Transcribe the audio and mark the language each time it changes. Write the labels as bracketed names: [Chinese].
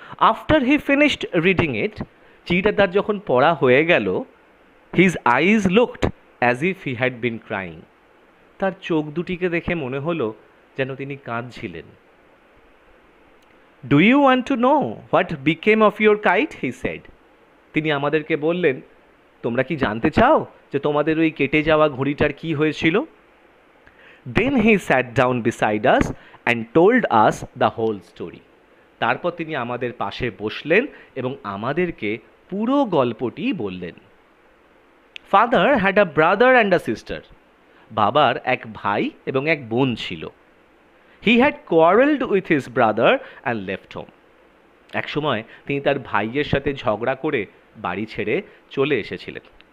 [English] after he finished reading it, [Bangla] চিঠিটা তার যখন পড়া হয়ে গেল, [English] his eyes looked as if he had been crying, [Bangla] তার চোখ দুটিকে দেখে মনে হলো যেন তিনি কাঁদছিলেন। [English] do you want to know what became of your kite, he said, [Bangla] তিনি আমাদেরকে বললেন, তোমরা কি জানতে চাও যে তোমাদের ওই কেটে যাওয়া ঘড়িটার কী হয়েছিল। [English] Then he sat down beside us and told us the whole story. [Bangla] তারপর তিনি আমাদের পাশে বসলেন এবং আমাদেরকে পুরো গল্পটি বললেন। [English] father had a brother and a sister, [Bangla] বাবার এক ভাই এবং এক বোন ছিল। [English] he had quarreled with his brother and left home, [Bangla] এক সময় তিনি তার ভাইয়ের সাথে ঝগড়া করে বাড়ি ছেড়ে চলে এসেছিলেন।